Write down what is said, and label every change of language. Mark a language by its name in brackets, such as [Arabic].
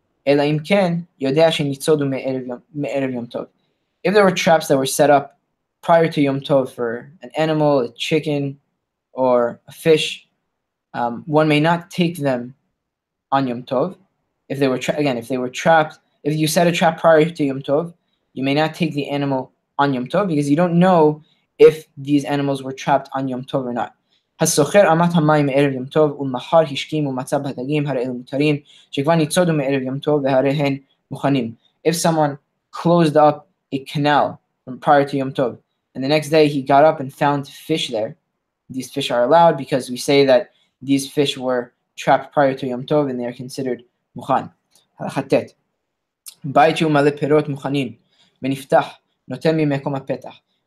[English] If there were traps that were set up prior to Yom Tov for an animal, a chicken, or a fish, one may not take them on Yom Tov. If you set a trap prior to Yom Tov, you may not take the animal on Yom Tov because you don't know if these animals were trapped on Yom Tov or not. [Hebrew] הסוחר אמת המים מערב יום טוב ומחר השכים ומצא בדגים הרי אלו מותרים שכבר ניצודו מערב יום טוב והרי הן מוכנים. [English] If someone closed up a canal from prior to Yom Tov, and the next day he got up and found fish there, these fish are allowed because we say that these fish were trapped prior to Yom Tov and they are considered מוכן. [Hebrew] הלכתת. בית שהוא מלא פירות מוכנים ונפתח נותן ממקום הפתח.